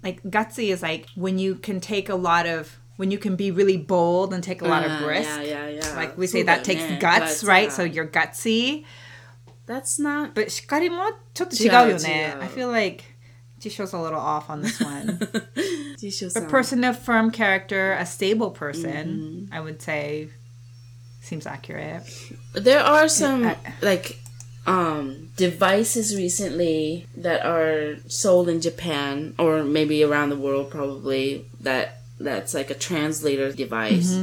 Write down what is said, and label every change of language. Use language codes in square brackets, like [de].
[en] Like, gutsy is like when you can take a lot ofWhen you can be really bold and take a lot of risk. Yeah, yeah, yeah. Like we say that takes guts, right? So you're gutsy. That's not... [ja] But しっかりもちょっと違うよね。 [en] I feel like 辞書's a little off on this one. [ja] 辞書さん。 [en] A person of firm character, a stable person, mm-hmm. I would say, seems accurate. There are some, like, devices recently that are sold in Japan or maybe around the world probably that's like a translator device.